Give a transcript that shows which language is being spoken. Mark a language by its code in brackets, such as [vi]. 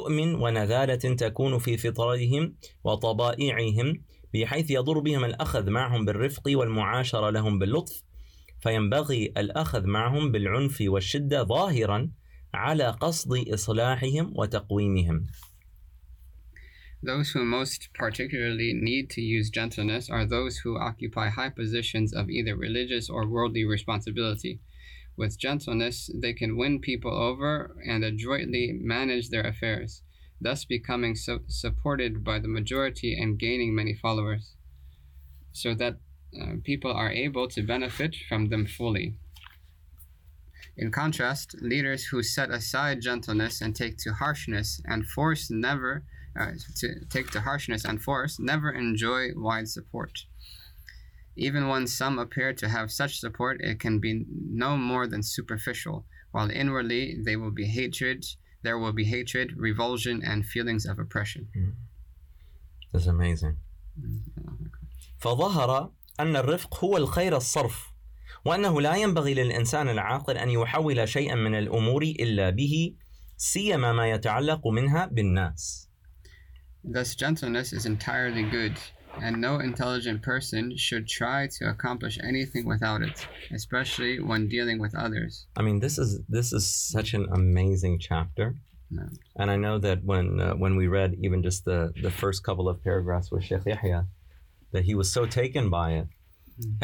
[ar] ونذالة تكون في فطرهم وطبائعهم بحيث يضر بهم الأخذ معهم بالرفق والمعاشرة لهم باللطف فينبغي الأخذ معهم بالعنف والشدة ظاهرا على قصد إصلاحهم وتقويمهم. [en] Those who most particularly need to use gentleness are those who occupy high positions of either religious or worldly responsibility. With gentleness, they can win people over and adroitly manage their affairs, thus becoming supported by the majority and gaining many followers, so that people are able to benefit from them fully. In contrast, leaders who set aside gentleness and take to harshness and force never enjoy wide support. Even when some appear to have such support, it can be no more than superficial, while inwardly there will be hatred, revulsion, and feelings of oppression. That's amazing. [ar] فظهر أن الرفق هو الخير الصرف وأنه لا ينبغي للإنسان العاقل أن يحول شيئا من الأمور إلا به سيما ما يتعلق منها بالناس. [en] Thus gentleness is entirely good, and no intelligent person should try to accomplish anything without it, especially when dealing with others. I mean, this is such an amazing chapter. Yeah. And I know that when we read even just the first couple of paragraphs with Sheikh Yahya, that he was so taken by it. Mm-hmm.